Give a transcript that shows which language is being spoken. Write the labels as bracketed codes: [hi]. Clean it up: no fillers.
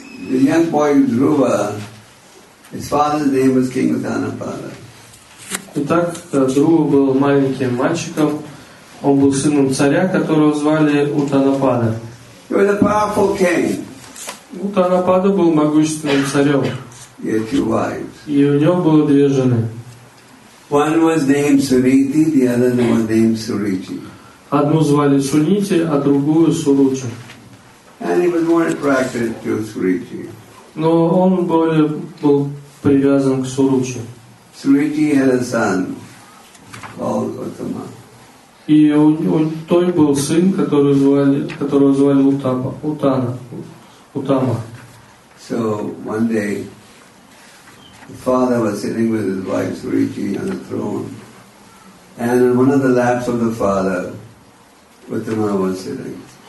[en] The young boy Dhruva, his father's name was King Uttanapada. [ru] Итак, Друва был маленьким мальчиком. Он был сыном царя, которого звали Уттанапада. [en] He was a powerful king. [ru] Уттанапада был могущественным царем. [en] He had two wives. [ru] И у него было две жены. [en] One was named Suniti, the other one was named Suruchi. [ru] Одну звали Сунити, а другую Суручи. [en] And he was more attracted to Suruchi. [ru] Но он более был привязан к Суручи. [en] Suruchi had a son called Uttama. [ru] И у той был сын, которого звали Утапа, Утана, Утама. [en] So one day, the father was sitting with his wife Suruchi on the throne, and in one of the laps of the father, Uttama was sitting.